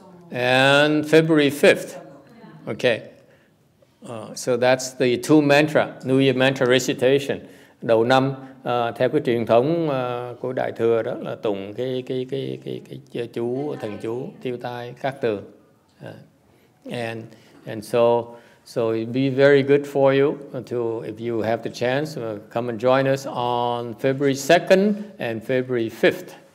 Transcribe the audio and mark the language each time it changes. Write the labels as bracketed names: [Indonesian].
[English] And February 5th, okay. So that's the two mantra, New Year mantra recitation. [Vietnamese] Đầu năm, theo cái truyền thống của Đại Thừa đó là tụng cái chú, thần chú, tiêu tai, các từ. [English] And so it'd be very good for you to, if you have the chance, come and join us on February 2nd and February 5th.